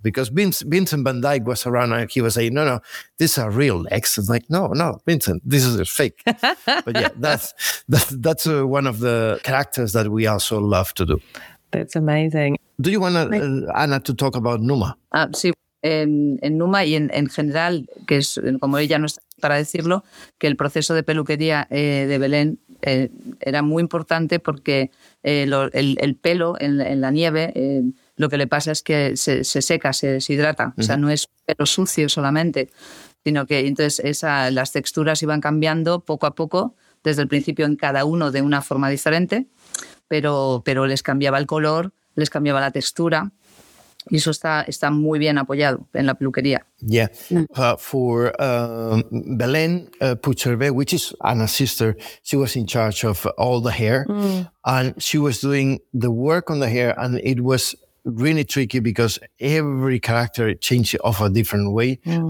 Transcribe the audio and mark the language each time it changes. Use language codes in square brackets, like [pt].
[en] Because Vincent van Dijk was around and he was saying, no, these are real legs. I'm like, no, Vincent, this is a fake. But yeah, that's one of the characters that we also love to do. That's amazing. Do you want Anna to talk about Numa? [es] Sí, en Numa y en general, que es como ella no está para decirlo, que el proceso de peluquería de Belén era muy importante porque el pelo en la nieve, lo que le pasa es que se seca, se deshidrata. Uh-huh. O sea, no es pelo sucio solamente, sino que entonces las texturas iban cambiando poco a poco, desde el principio en cada uno de una forma diferente, pero les cambiaba el color, les cambiaba la textura, y eso está muy bien apoyado en la peluquería. [en] Yeah, for Belén Pucherbe, which is Anna's sister, she was in charge of all the hair, mm. and she was doing the work on the hair, and it was really tricky because every character changes off a different way. Mm.